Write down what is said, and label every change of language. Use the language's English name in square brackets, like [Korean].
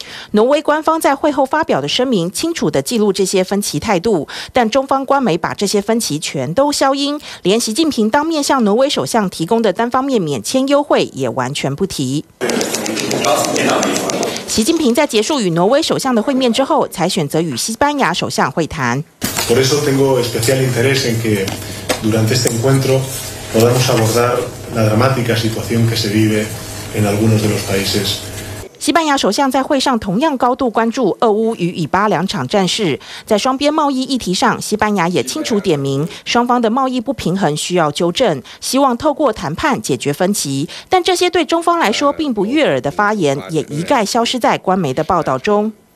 [Chinese] 挪威官方在会后发表的声明清楚地记录这些分歧态度，但中方官媒把这些分歧全都消音，连习近平当面向挪威首相提供的单方面免签优惠也完全不提。习近平在结束与挪威首相的会面之后才选择与西班牙首相会谈。 [Spanish] Por eso tengo especial interés en que durante este encuentro podamos abordar la dramática situación que se vive en algunos de los países。 [Chinese] 西班牙首相在会上同样高度关注俄乌与以巴两场战事，在双边贸易议题上，西班牙也清楚点名双方的贸易不平衡需要纠正，希望透过谈判解决分歧，但这些对中方来说并不悦耳的发言也一概消失在官媒的报道中。